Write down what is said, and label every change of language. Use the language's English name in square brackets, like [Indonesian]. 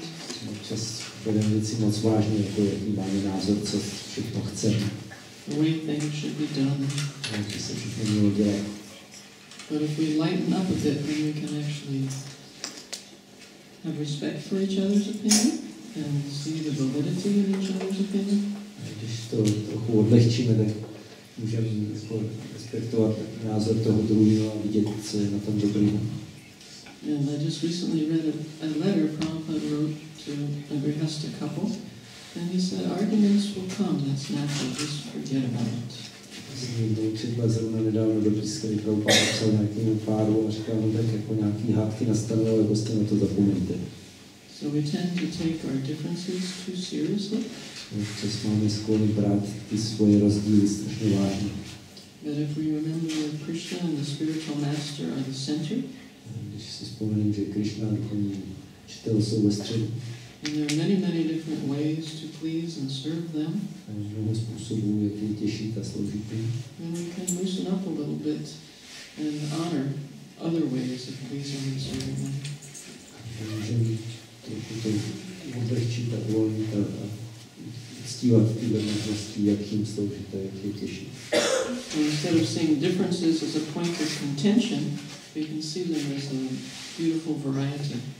[English] The way things should be done. But if we lighten up a bit, then we can actually have respect for each other's opinion and see the validity in each other's opinion. [Czech] Když to trochu odlehčíme, tak můžeme respektovat názor toho druhého a vidět, co je na tom dobrýho. [English] And I just recently read a letter Prabhupada wrote to a grihastha couple, and he said, arguments will come, that's natural, just forget about it. [Czech] Četla zrovna nedávno dopis, který Prabhupada psal nějakému páru a říkal mu, tak jako nějaký hádky nastanou, ale prostě na to zapomeňte. [English] So we tend to take our differences too seriously. [Czech] Občas máme skloni brát ty svoje rozdíly strašně vážně. [English] But if we remember that Krishna and the spiritual master are the center, [Czech] když si vzpomenem, že Krishna a duchovní učitel jsou ve středu, [English] and there are many, many different ways to please and serve them. [Czech] Mnoho způsobů, jak je těšit a sloužit jim. [English] And we can loosen up a little bit and honor other ways of pleasing and serving them. [Czech] Můžeme trochu to odlehčit a uvolnit a ctívat tyhle možnosti, jak jim sloužit a jak je těšit. [English] Instead of seeing differences as a point of contention, we can see them as a beautiful variety.